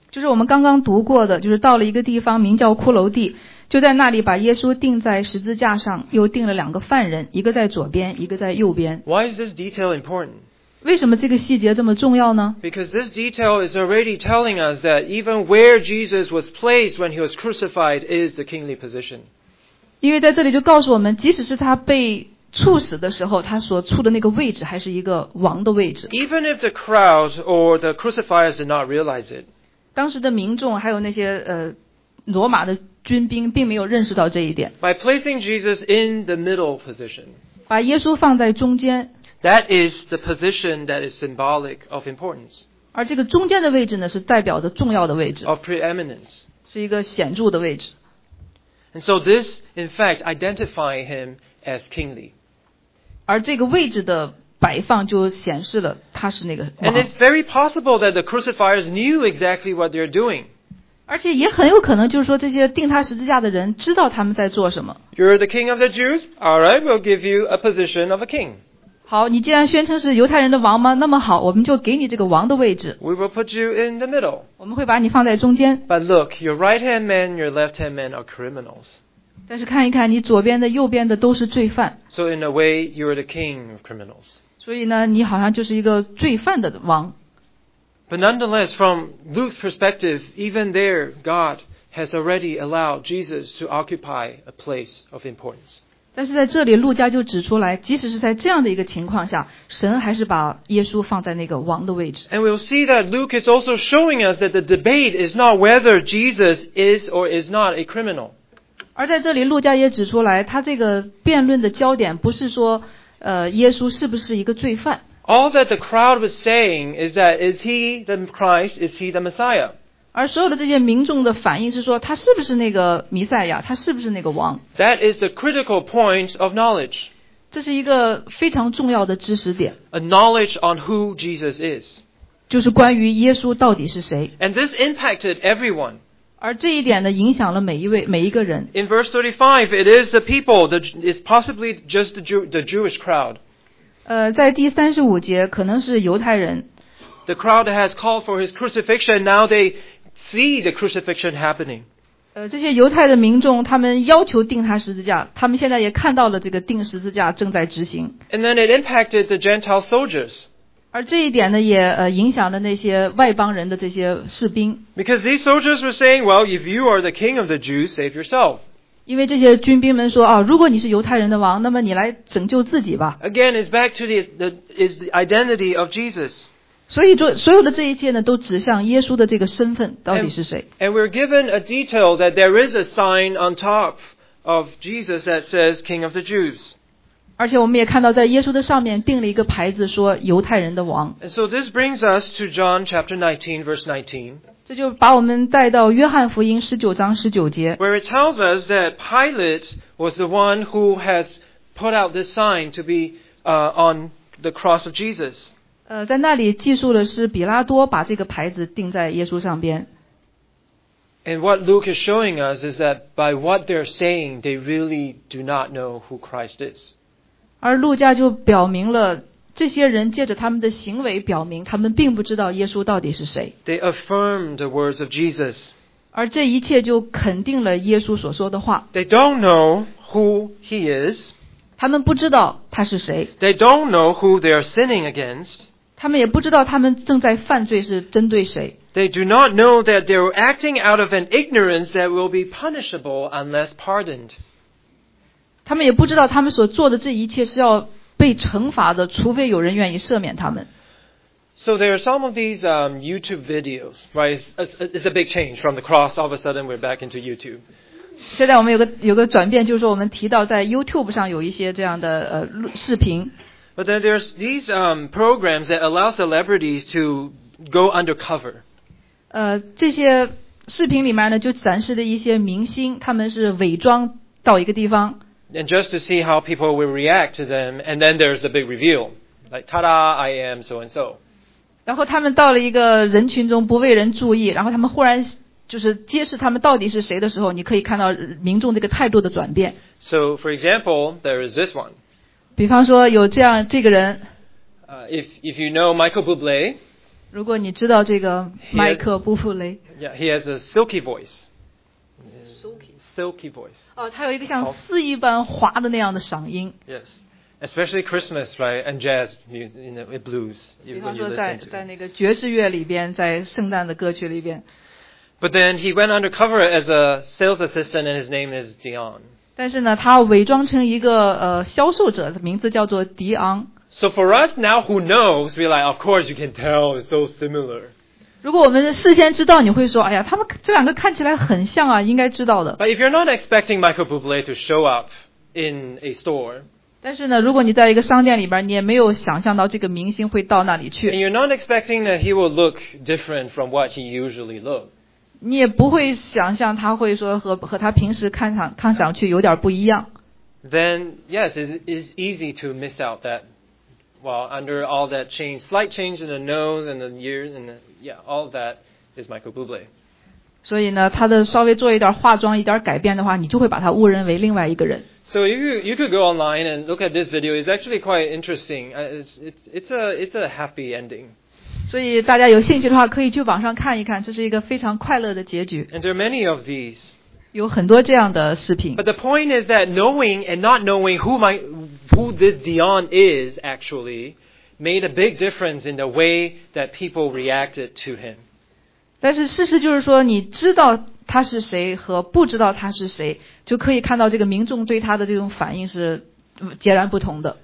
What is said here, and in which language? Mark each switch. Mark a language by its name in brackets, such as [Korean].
[Chinese] 就是我们刚刚读过的，就是到了一个地方名叫骷髅地，就在那里把耶稣钉在十字架上，又钉了两个犯人，一个在左边，一个在右边。 [English] Why is this detail important? [Chinese] 为什么这个细节这么重要呢？ [English] Because this detail is already telling us that even where Jesus was placed when he was crucified is the kingly position. [Chinese] 因为在这里就告诉我们，即使是他被处死的时候，他所处的那个位置还是一个王的位置。 [English] Even if the crowd or the crucifiers did not realize it. [Chinese] 当时的民众还有那些罗马的军兵并没有认识到这一点。 [English] By placing Jesus in the middle position. [Chinese] 把耶稣放在中间。 [English] That is the position that is symbolic of importance. [Chinese] 而这个中间的位置呢，是代表的重要的位置。 [English] Of preeminence. [Chinese] 是一个显著的位置。 [English] And so this, in fact, identify him as kingly. [Chinese] 而这个位置的摆放就显示了他是那个王。 [English] And it's very possible that the crucifiers knew exactly what they're doing. [Chinese] 而且也很有可能就是说这些钉他十字架的人知道他们在做什么。 [English] You're the king of the Jews? All right, we'll give you a position of a king. [Chinese] 好，你既然宣称是犹太人的王吗？那么好，我们就给你这个王的位置。 [English] We will put you in the middle. [Chinese] 我们会把你放在中间。 [English] But look, your right-hand man, your left-hand man are criminals. [Chinese] 但是看一看，你左边的、右边的都是罪犯。 [English] So in a way, you are the king of criminals. [Chinese] 所以呢，你好像就是一个罪犯的王。 [English] But nonetheless, from Luke's perspective, even there, God has already allowed Jesus to occupy a place of importance. [Chinese] 但是在这里路加就指出来，即使是在这样的一个情况下，神还是把耶稣放在那个王的位置。 [English] And we'll see that Luke is also showing us that the debate is not whether Jesus is or is not a criminal. [Chinese] 而在这里路加也指出来，他这个辩论的焦点不是说耶稣是不是一个罪犯。 [English] All that the crowd was saying is that is he the Christ, is he the Messiah? [Chinese] 而所有的这些民众的反应是说他是不是那个弥赛亚，他是不是那个王。 [English] That is the critical point of knowledge. [Chinese] 这是一个非常重要的知识点。 [English] A knowledge on who Jesus is. [Chinese] 就是关于耶稣到底是谁。 [English] And this impacted everyone. [Chinese] 而这一点呢影响了每一个人。 [English] In verse 35, it is the people, it's possibly just the Jewish crowd. [Chinese] 在第35节可能是犹太人。 [English] The crowd has called for his crucifixion, now they... See the crucifixion happening. [Chinese] 这些犹太的民众，他们要求钉他十字架，他们现在也看到了这个钉十字架正在执行。 [English] And then it impacted the Gentile soldiers. [Chinese] 而这一点呢，也影响了那些外邦人的这些士兵。 [English] Because these soldiers were saying, "Well, if you are the king of the Jews, save yourself." [Chinese] 因为这些军兵们说啊，如果你是犹太人的王，那么你来拯救自己吧。 [English] Again, it's back to the identity of Jesus. [Chinese] 所以所有的这一切呢，都指向耶稣的这个身份到底是谁。 [English] And we're given a detail that there is a sign on top of Jesus that says King of the Jews. [Chinese] 而且我们也看到在耶稣的上面定了一个牌子说犹太人的王。 [English] And so this brings us to John chapter 19 verse 19. [Chinese] 这就把我们带到约翰福音19章19节。 [English] Where it tells us that Pilate was the one who has put out this sign to be on the cross of Jesus. [Chinese] 在那里记述的是比拉多把这个牌子钉在耶稣上边。 [English] And what Luke is showing us is that by what they're saying, they really do not know who Christ is. [Chinese] 而路加就表明了这些人借着他们的行为表明他们并不知道耶稣到底是谁。 [English] They affirm the words of Jesus. [Chinese] 而这一切就肯定了耶稣所说的话。 [English] They don't know who he is. [Chinese] 他们不知道他是谁。 [English] They don't know who they are sinning against. [Chinese] 他们也不知道他们正在犯罪是针对谁。 [English] They do not know that they are acting out of an ignorance that will be punishable unless pardoned. [Chinese] 他们也不知道他们所做的这一切是要被惩罚的，除非有人愿意赦免他们。 [English] So there are some of these YouTube videos, right? It's a big change from the cross. All of a sudden, we're back into YouTube. [Chinese] 现在我们有个转变，就是说我们提到在 YouTube 上有一些这样的视频。 [English] But then there's these programs that allow celebrities to go undercover. [Chinese] 这些视频里面呢就展示的一些明星他们是伪装到一个地方 [English] and just to see how people will react to them and then there's the big reveal like ta-da I am so and so [Chinese] 然后他们到了一个人群中不为人注意然后他们忽然就是揭示他们到底是谁的时候你可以看到民众这个态度的转变 [English] so for example there is this one [Chinese] 比方说有这样这个人、 [English] if you know Michael Bublé [Chinese] 如果你知道这个麦克布布雷 [English] Yeah, he has a silky voice. Silky voice. [Chinese] 他有一个像丝一般滑的那样的嗓音。 [English] Yes, especially Christmas, right? And jazz music, you know, blues. [Chinese] 比方说在那个爵士乐里边，在圣诞的歌曲里边。 [English] But then he went undercover as a sales assistant, and his name is Dion. [Chinese] 但是呢，他伪装成一个销售者，名字叫做迪昂。 [English] So for us now who knows, we're like, of course you can tell, it's so similar. [Chinese] 如果我们事先知道，你会说，哎呀，他们这两个看起来很像啊，应该知道的。 [English] But if you're not expecting Michael Bublé to show up in a store, [Chinese] 但是呢，如果你在一个商店里边，你也没有想象到这个明星会到那里去。 [English] And you're not expecting that he will look different from what he usually looks. [Chinese] 你也不会想象他会说和他平时看上去有点不一样。 [English] Then, yes, it's easy to miss out that. Well, under all that change, slight change in the nose and the ears, and the, yeah, all of that is Michael Bublé. [Chinese] 所以呢，他的稍微做一点化妆、一点改变的话，你就会把他误认为另外一个人。 [English] So you could go online and look at this video. It's actually quite interesting. It's a happy ending. [Chinese] 所以大家有兴趣的话，可以去网上看一看，这是一个非常快乐的结局。 [English] And there are many of these. [Chinese] 有很多这样的视频。 [English] But the point is that knowing and not knowing who this Dion is actually made a big difference in the way that people reacted to him. [Chinese] 但是事实就是说，你知道他是谁和不知道他是谁，就可以看到这个民众对他的这种反应是截然不同的。